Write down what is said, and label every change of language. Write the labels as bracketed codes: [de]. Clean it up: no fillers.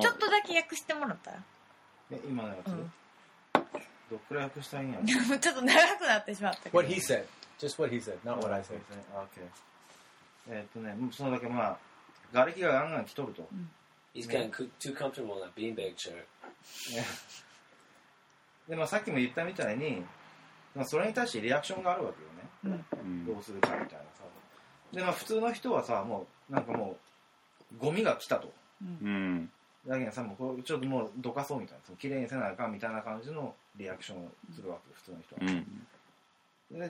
[ja] ちょっとだけ訳してもらったら。え、今のやつ、うん、どっくらい訳したいんやろ。ちょっと長くなってしまったけど。 [en] What he said. Just what he said. Not what I said. Okay. [ja] ね、そのだけ、まあ、瓦礫がガンガン来とると。うん、 [en] He's getting too comfortable in that beanbag chair. [ja] でもさっきも言ったみたいに、まあ、それに対してリアクションがあるわけよね。どうするかみたいなさ。でまあ普通の人はさ、もうなんかもうゴミが来たと。だけどさ、もうちょっともうどかそうみたいな、きれいにせなあかんみたいな感じのリアクションをするわけ、普通の人は。